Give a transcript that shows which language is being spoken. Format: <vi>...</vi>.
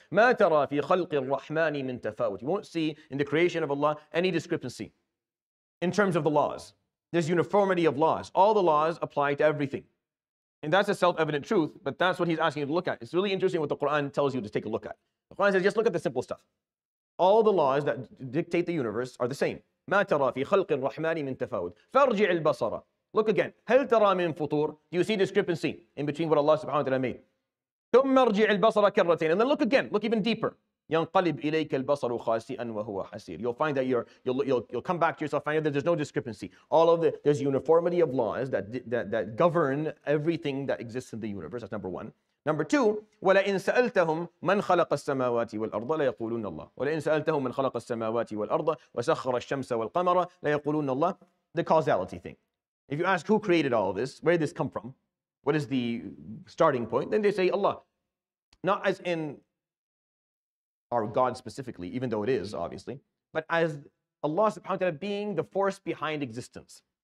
<ar>ما ترى في خلق الرحمن من تفاوت.</ar> <en>You won't see in the creation of Allah any discrepancy in terms of the laws. There's uniformity of laws. All the laws apply to everything. And that's a self-evident truth, but that's what he's asking you to look at. It's really interesting what the Quran tells you to take a look at. The Quran says, just look at the simple stuff. All the laws that dictate the universe are the same.</en> <ar>ما ترى في خلق الرحمن من تفاوت. فارجع البصرة.</ar> <en>Look again.</en> <ar>هل ترى من فطور?</ar> <en>Do you see discrepancy in between what Allah subhanahu wa ta'ala made?</en> <ar>ثم ارجع البصر كرتين.</ar> <en>And then look again. Look even deeper.</en> <ar>ينقلب إليك البصر خاسئاً وهو حسير.</ar> <en>You'll find that you'll come back to yourself, find that there's no discrepancy. There's uniformity of laws that govern everything that exists in the universe. That's number one. Number two.</en> <ar>ولئن سألتهم من خلق السماوات والأرض ليقولون الله. ولئن سألتهم من خلق السماوات والأرض وسخر الشمس والقمر ليقولون الله.</ar> <en>The causality thing. If you ask who created all of this, where did this come from? What is the starting point? Then they say Allah. Not as in our God specifically, even though it is, obviously, but as Allah subhanahu wa ta'ala being the force behind existence.</en>